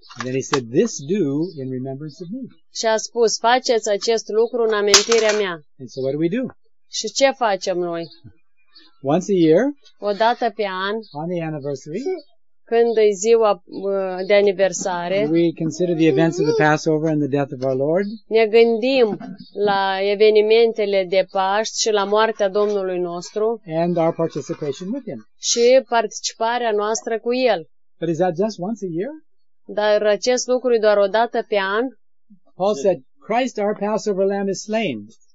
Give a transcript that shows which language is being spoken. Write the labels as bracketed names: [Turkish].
[English] Then he said, this do in remembrance of me. [Romanian] Și a spus, faceți acest lucru în amintirea mea. [English] And so what do we do? [Romanian] Și ce facem noi? [English] Once a year, [Romanian] o dată pe an, [English] on the anniversary, [Romanian] când e ziua de aniversare, [English] we consider the events of the Passover and the death of our Lord. [Romanian] Ne gândim la evenimentele de Paști și la moartea Domnului nostru. [English] And our participation with him. [Romanian] Și participarea noastră cu el. [English] But is that just once a year? [Romanian] Dar acest lucru e doar o dată pe an? [English] Paul said, Christ our Passover lamb is slain.